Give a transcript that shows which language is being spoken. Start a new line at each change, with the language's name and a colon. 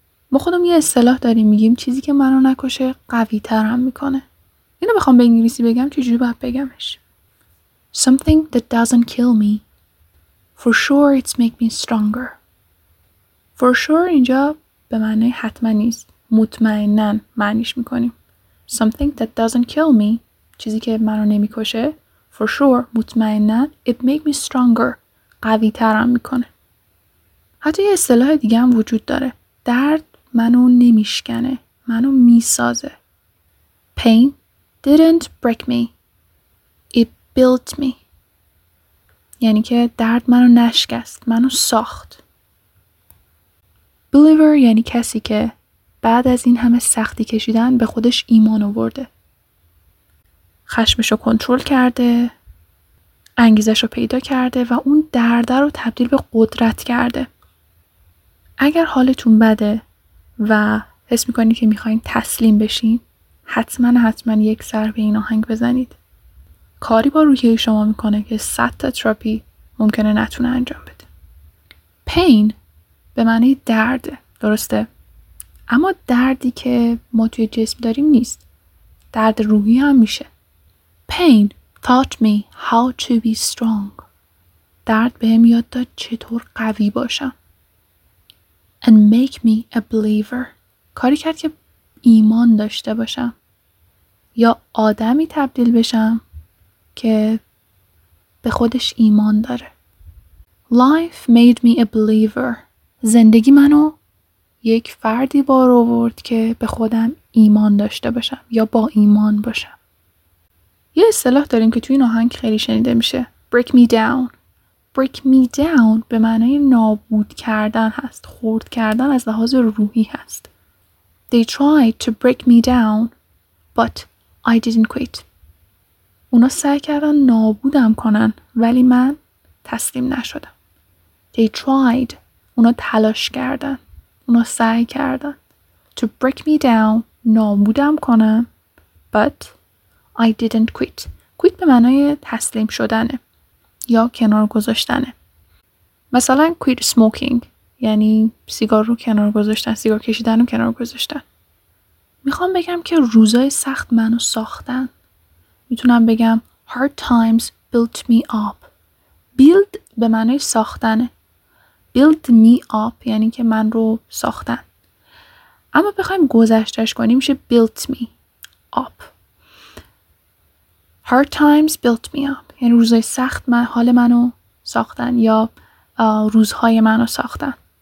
Persian: ما خودم یه اصطلاح داریم میگیم چیزی که منو نکشه قوی ترم میکنه. اینو بخوام به انگلیسی بگم چجوری باید بگمش؟
English: Something that doesn't kill me, for sure it's make me stronger. For sure
Persian: اینجا به معنی حتما نیست. مطمئنن معنیش میکنیم.
English: Something that doesn't kill me,
Persian: چیزی که منو نمیکشه,
English: for sure,
Persian: مطمئنن,
English: it make me stronger,
Persian: قوی ترم میکنه. حتی یه اصطلاح دیگه هم وجود داره. درد منو نمیشکنه, منو میسازه.
English: Pain didn't break me, it built me.
Persian: یعنی که درد منو نشکست, منو ساخت. Believer یعنی کسی که بعد از این همه سختی کشیدن به خودش ایمان آورده. خشمشو کنترل کرده, انگیزشو پیدا کرده و اون درد رو تبدیل به قدرت کرده. اگر حالتون بده و حس میکنید که میخواین تسلیم بشین, حتما یک سر به این آهنگ بزنید. کاری با روحیه شما میکنه که 100 تا تراپی ممکنه نتونه انجام بده. Pain به معنی درد, درسته؟ اما دردی که ما توی جسم داریم نیست. درد روحی هم میشه.
English: Pain taught me how to be strong.
Persian: درد به هم یاد داد چطور قوی باشم.
English: And make me a believer.
Persian: کاری کرد که ایمان داشته باشم. یا آدمی تبدیل بشم که به خودش ایمان داره.
English: Life made me a believer.
Persian: زندگی منو یک فردی بار آورد که به خودم ایمان داشته باشم یا با ایمان باشم. یه اصطلاح داریم که توی این آهنگ خیلی شنیده میشه.
English: Break me down. Break me down
Persian: به معنی نابود کردن هست. خرد کردن از لحاظ روحی هست.
English: They tried to break me down, but I didn't quit.
Persian: اونا سعی کردن نابودم کنن, ولی من تسلیم نشدم.
English: They tried.
Persian: اونا تلاش کردن. اونا سعی کردن.
English: To break me down,
Persian: نابودم کنن,
English: but I didn't quit.
Persian: Quit به معنی تسلیم شدنه یا کنار گذاشتنه. مثلا
English: quit smoking
Persian: یعنی سیگار رو کنار گذاشتن, سیگار کشیدن رو کنار گذاشتن. میخوام بگم که روزای سخت منو ساختن. میتونم بگم
English: hard times built me up.
Persian: Build به معنی ساختنه.
English: Build me up
Persian: یعنی که من رو ساختن. اما بخوایم گذشتش کنیم میشه
English: built me up. Hard times built me up.
Persian: یعنی روزای سخت من حال منو ساختن یا روزهای منو ساختن.